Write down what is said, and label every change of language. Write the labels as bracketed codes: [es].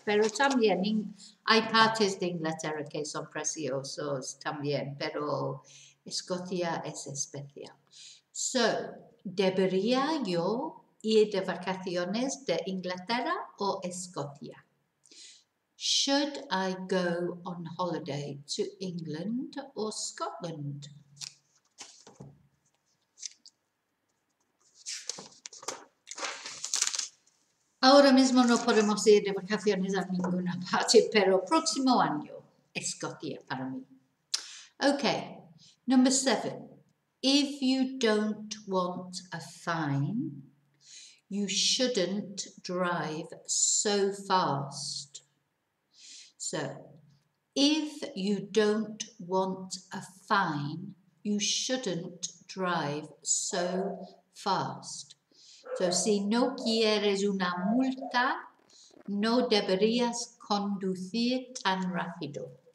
[es] Pero también hay partes de Inglaterra que son preciosos también. Pero Escocia es especial. So, ¿debería yo ir de vacaciones de Inglaterra o Escocia? [en] Should I go on holiday to England or Scotland? [es] Ahora mismo no podemos ir de vacaciones a ninguna parte, pero próximo año, Escocia para mí. [en] Okay, number seven. If you don't want a fine, you shouldn't drive so fast. So, if you don't want a fine, you shouldn't drive so fast. [es] So, si no quieres una multa, no deberías conducir tan rápido.